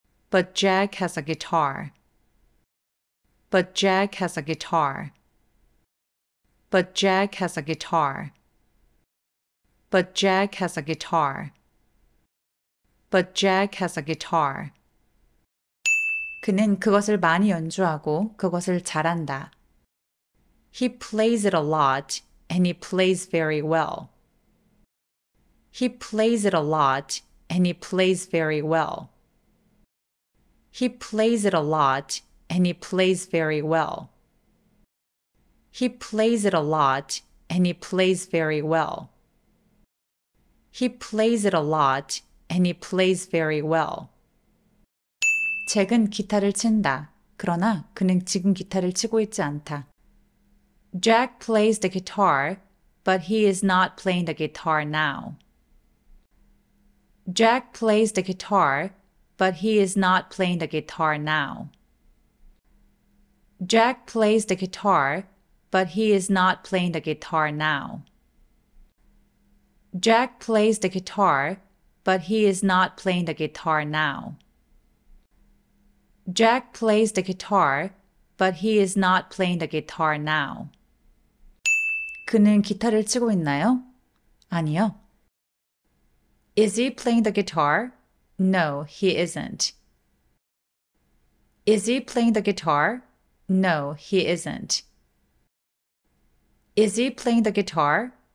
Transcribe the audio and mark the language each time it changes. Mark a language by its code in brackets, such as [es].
[en] But Jack has a guitar. But Jack has a guitar. But Jack has a guitar. But Jack has a guitar. But Jack has a guitar. [ko] 그는 그것을 많이 연주하고 그것을 잘한다. [en] He plays it a lot and he plays very well. He plays it a lot and he plays very well. He plays it a lot and he plays very well. He plays it a lot and he plays very well. He plays it a lot and he plays very well. [ko] 잭은 기타를 친다. 그러나 그는 지금 기타를 치고 있지 않다. [en] Jack plays the guitar, but he is not playing the guitar now. Jack plays the guitar, but he is not playing the guitar now. Jack plays the guitar, but he is not playing the guitar now. Jack plays the guitar, but he is not playing the guitar now. Jack plays the guitar, but he is not playing the guitar now. [ko] 그는 기타를 치고 있나요? 아니요. [en] Is he playing the guitar? No, he isn't. Is he playing the guitar? No, he isn't. Is he playing the guitar?